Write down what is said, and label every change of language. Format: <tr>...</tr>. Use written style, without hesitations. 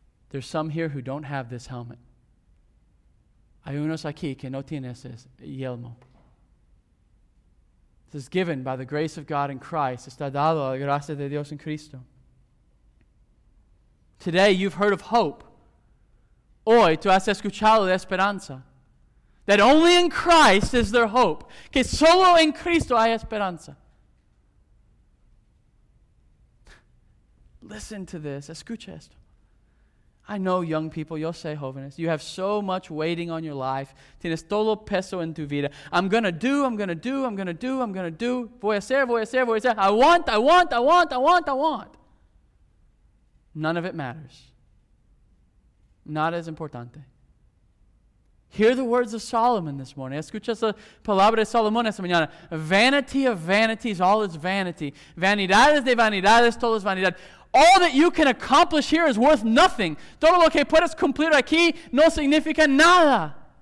<en>There's some here who don't have this helmet.</en> <es>Hay unos aquí que no tienen ese yelmo.</es> <en>This is given by the grace of God in Christ.</en> <es>Está dado a la gracia de Dios en Cristo. Today you've heard of hope. Hoy tú has escuchado de esperanza.</es> <en>That only in Christ is there hope. Que solo en Cristo hay esperanza. Listen to this. Escucha esto. I know young people, yo sé jóvenes, you have so much waiting on your life.</en> <es>Tienes todo peso en tu vida. I'm going to do.</es> <en>Voy a hacer. I want. None of it matters. Not as importante. Hear the words of Solomon this morning. Escucha la palabra de Salomón esta mañana. Vanity of vanities, all is vanity. Vanidades de vanidades, todo es vanidad. All that you can accomplish here is worth nothing.</en> <es>Todo lo que puedes cumplir aquí no significa nada.</es>